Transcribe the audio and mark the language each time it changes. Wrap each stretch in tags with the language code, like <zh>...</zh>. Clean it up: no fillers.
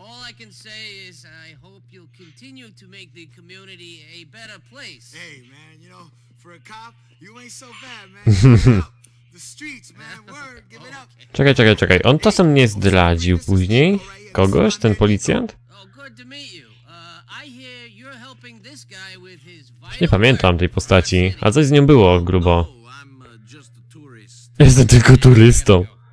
<en>I can say is I hope you'll continue to make the community a better place. Hey man, you know, for a cop, you ain't so bad, man. Out the streets, man. Word, give it up.</en> <pl>Czekaj. On czasem nie zdradził później kogoś, ten policjant?</pl> <en>Oh, good to meet you. I hear you're helping this guy with his vital...</en> <pl>Już nie pamiętam tej postaci, a coś z nią było grubo. Jestem tylko turystą.</pl>